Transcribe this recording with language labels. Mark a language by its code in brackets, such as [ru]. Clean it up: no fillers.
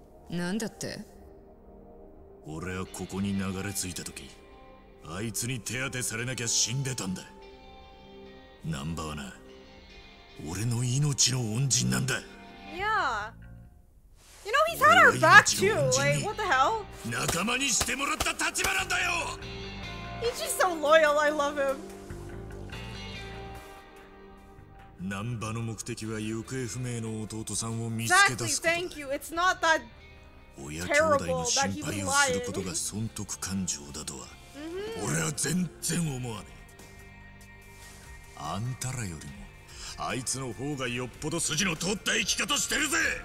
[ja] なんだって？俺はここに流れ着いた時、あいつに手当てされなきゃ死んでたんだ。ナンバはな、俺の命の恩人なんだ。 [en] いや、You know, he's had our back too. Like, what the hell? [ja] 仲間にしてもらった立場なんだよ。 [en] He's just so loyal, I love him. [ja] Nanba の目的は行方不明の弟さんを見つけ出すことだ。 [en] Exactly, thank you. It's not that terrible that he's lying. [ja] 親兄弟の心配をすることが損得感情だとは、俺は全然思わねえ。あんたらよりも、あいつの方がよっぽど筋の通った生き方してるぜ。